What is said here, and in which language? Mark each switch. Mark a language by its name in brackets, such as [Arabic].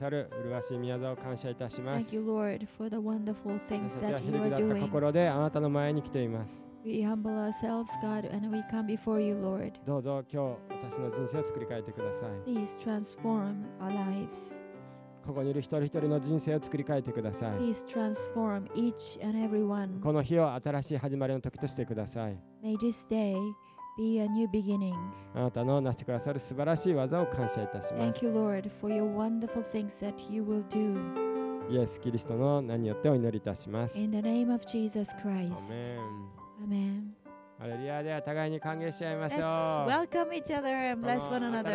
[English] Thank you, Lord, for the wonderful things that you are doing. We humble ourselves, God, and we come before you, Lord. [Japanese] どうぞ今日私の人生を作り変えてください。 [English] Please transform our lives. [Japanese] ここにいる一人一人の人生を作り変えてください。 [English] Please transform each and everyone. [Japanese] この日を新しい始まりの時としてください。 [English] May this day be a new beginning. [Japanese] あなたのなしてくださる素晴らしい技を感謝いたします。 [English] Thank you, Lord, for your wonderful things that you will do. [Japanese] イエス・キリストの名によってお祈りいたします。 [English] In the name of Jesus Christ. Amen. Amen. [Japanese] ハレルヤ、では互いに歓迎し合いましょう。 [English] Let's welcome each other and bless one another.